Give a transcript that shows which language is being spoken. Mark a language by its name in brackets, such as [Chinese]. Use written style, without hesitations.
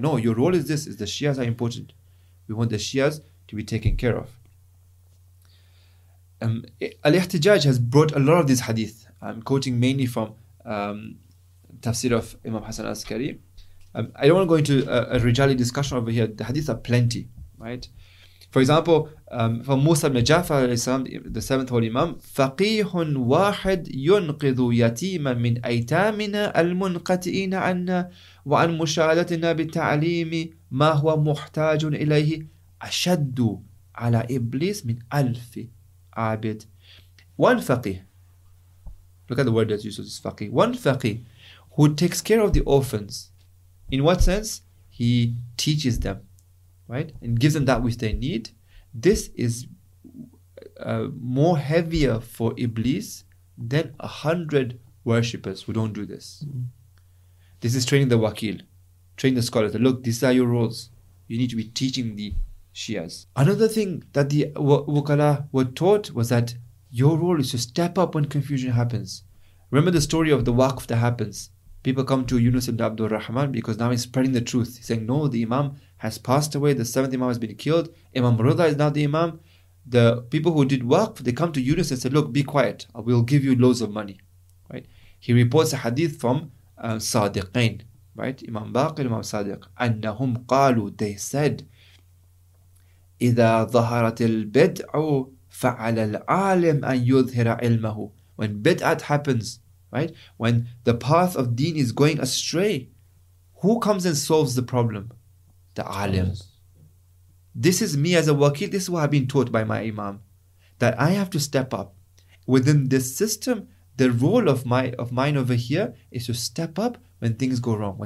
[English] No, your role is this, is the Shias are important. We want the Shias to be taken care of. Al-Ihtijaj has brought a lot of these hadith. I'm quoting mainly from Tafsir of Imam Hassan al-Askari. I don't want to go into a Rijali discussion over here. The hadith are plenty, right? For example, from Musa ibn Ja'far, the seventh holy Imam, [Arabic] فَقِيْهٌ وَاحِدْ يُنْقِذُ يَتِيمًا مِنْ أَيْتَامِنَا الْمُنْقَتِئِينَ عَنَّا وَعَنْ مُشَاهَدَتِنَا بِالتَّعْلِيمِ مَا هُوَ مُحْتَاجٌ إِلَيْهِ أَشَدُّ عَلَىٰ إِبْلِيسِ مِنْ أَلْفِ عَابِدْ. [English] One faqih, look at the word that's used for this faqih, one faqih who takes care of the orphans, in what sense? He teaches them, right? And gives them that which they need. This is more heavier for Iblis than 100 worshippers who don't do this. This is training the wakil, training the scholars. Look, these are your roles. You need to be teaching the Shias. Another thing that the wukala were taught was that your role is to step up when confusion happens. Remember the story of the waqf that happens. People come to Yunus ibn Abdul Rahman because now he's spreading the truth. He's saying, no, the imam has passed away. The seventh imam has been killed. Imam Ridha is now the imam. The people who did waqf, they come to Yunus and say, look, be quiet. I will give you loads of money. Right? He reports a hadith from Sadiqain, right? Imam Baqir, Imam Sadiq. [Arabic] Annahum qalu, [English] they said, [Arabic] إِذَا ظَهَرَتِ الْبِدْعُ فَعَلَى الْعَالِمْ أَنْ يُظْهِرَ عِلْمَهُ. [English] When bid'at happens, right? When the path of deen is going astray, who comes and solves the problem? The alim. Yes. This is me as a wakil, this is what I've been taught by my imam, that I have to step up. Within this system, the role of mine over here is to step up when things go wrong.